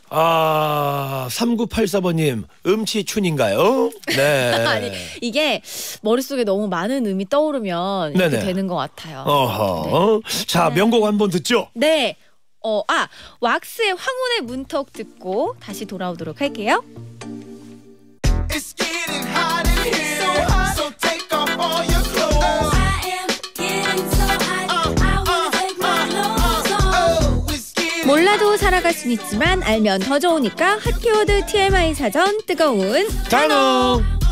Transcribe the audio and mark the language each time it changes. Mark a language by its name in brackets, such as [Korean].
[Korean] 아, 3984번님 음치춘인가요? 네. 아니, 이게 머릿속에 너무 많은 음이 떠오르면 이렇게 네네. 되는 것 같아요. 어허. 네. 자, 명곡 한번 듣죠? 네. 왁스의 황혼의 문턱 듣고 다시 돌아오도록 할게요. [English] It's getting hot in here, so hot, so take off all your clothes. I am getting so hot, I wanna take my clothes off. It's getting hot. [Korean] 몰라도 살아갈 수 있지만 알면 더 좋으니까 핫키워드 TMI 사전 뜨거운 단어.